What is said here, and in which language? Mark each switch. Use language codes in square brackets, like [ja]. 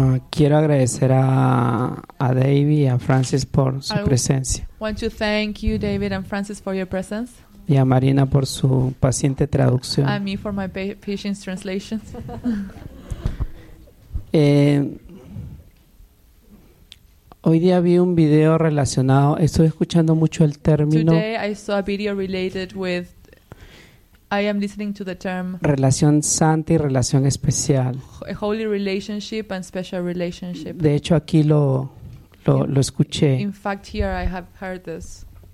[es] Quiero agradecer a David y a Francis por su presencia. [en] I want to thank you, David and Francis, for your presence. [es] Y a Marina por su paciente traducción. [en] And me for my patient translation. [es] Hoy día vi un video relacionado, estoy escuchando mucho el término. [en] Today I saw a video related with, I am listening to the term. [es] Relación santa y relación especial. [en] A holy relationship and special relationship. [es] De hecho aquí lo escuché. [en] In fact here I have heard this.